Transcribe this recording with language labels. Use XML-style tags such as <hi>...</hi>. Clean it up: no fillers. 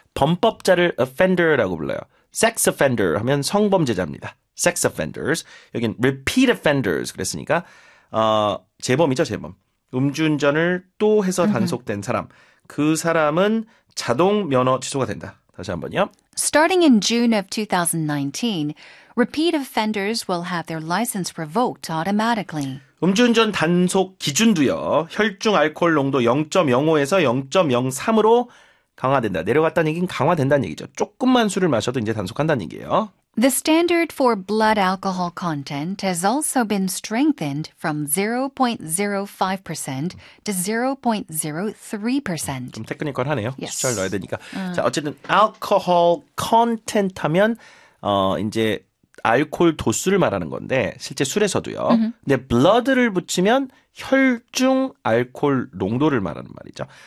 <ko>범법자를 offender라고 불러요. Sex offender 하면 성범죄자입니다.</ko> <en>Sex offenders.</en> <ko>여긴 repeat offenders 그랬으니까 재범이죠, 재범. 음주운전을 또 해서 단속된 사람. 그 사람은 자동 면허 취소가 된다. 다시 한 번요.</ko> <en>Starting in June of 2019, repeat offenders will have their license revoked automatically.</en> <ko>음주운전 단속 기준도요. 혈중 알코올 농도 0.05에서 0.03으로 강화된다. 내려갔다는 얘기는 강화된다는 얘기죠. 조금만 술을 마셔도 이제 단속한다는 얘기예요.</ko> <en>The standard for blood alcohol content has also been strengthened from 0.05% to 0.03%.</en> <ko>좀 테크니컬하네요.</ko> <en>Yes.</en> <ko>숫자를 넣어야 되니까. 자, 어쨌든 alcohol content 하면 이제 알코올 도수를 말하는 건데 실제 술에서도요. 근데 blood를 붙이면 혈중 알코올 농도를 말하는 말이죠.</ko>